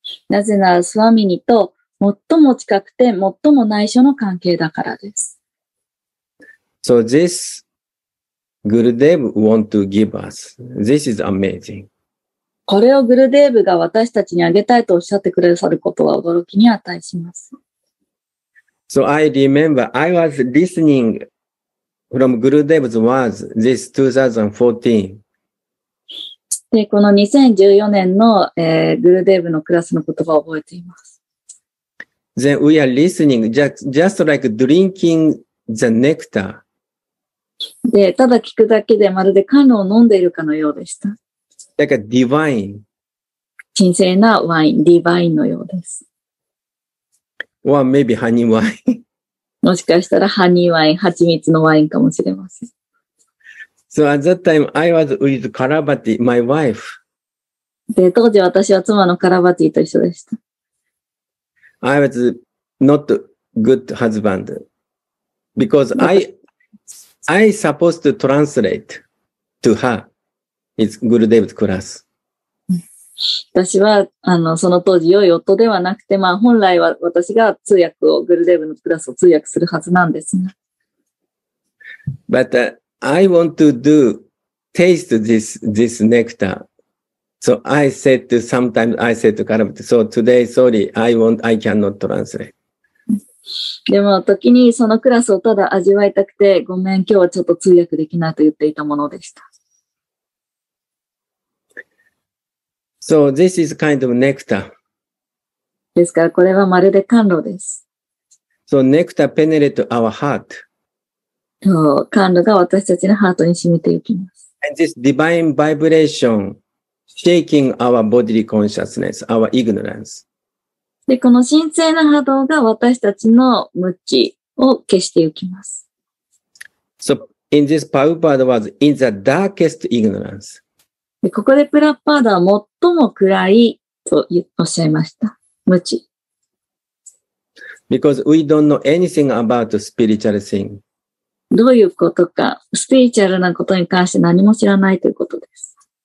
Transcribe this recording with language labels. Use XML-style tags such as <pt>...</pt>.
<ja>なぜなら、スワミニと最も近くて最も内緒の関係だからです。</ja> <en>So this Gurudev want to give us. This is amazing.</en> <ja>これをグルデーブが私たちにあげたいとおっしゃってくださることは驚きに値します。</ja> <en>So I remember I was listening from Gurudev's words this 2014. Then we are listening just like drinking the nectar.</en> <ja>で、ただ聞くだけでまるで甘露を飲んでいるかのようでした。なんか、ディヴァイン。神聖なワイン、ディヴァインのようです。</ja> <en>Or maybe honey wine.</en> <ja>もしかしたらハニーワイン、蜂蜜のワインかもしれません。</ja> <en>So at that time, I was with Karabati, my wife.</en> <ja>で、当時私は妻のカラバティと一緒でした。</ja> <en>I was not good husband. Because I supposed to translate to her. It's Gurudev's class.</en> <ja>私は、その当時、良い夫ではなくて、まあ、本来は私が通訳を、Gurudev のクラスを通訳するはずなんですが。</ja> <en>But, I want to do, taste this nectar. So I said to, sometimes I said to Karabati, so today, sorry, I cannot translate.</en> <ja>でも時にそのクラスをただ味わいたくてごめん今日はちょっと通訳できないと言っていたものでした。</ja> <en>So this is kind of nectar.</en> <ja>ですからこれはまるで甘露です。</ja> <en>So nectar penetrate our heart.</en> <ja>そう、甘露が私たちのハートに染みていきます。</ja> <en>And this divine vibration shaking our bodily consciousness, our ignorance.</en> <ja>で、この神聖な波動が私たちの無知を消してゆきます。</ja> <en>So, in this Prabhupada was in the darkest ignorance.</en> <ja>で、ここでプラッパーダは最も暗いとおっしゃいました。無知。</ja> <en>Because we don't know anything about spiritual thing.</en> <ja>どういうことか、スピリチュアルなことに関して何も知らないということです。</ja>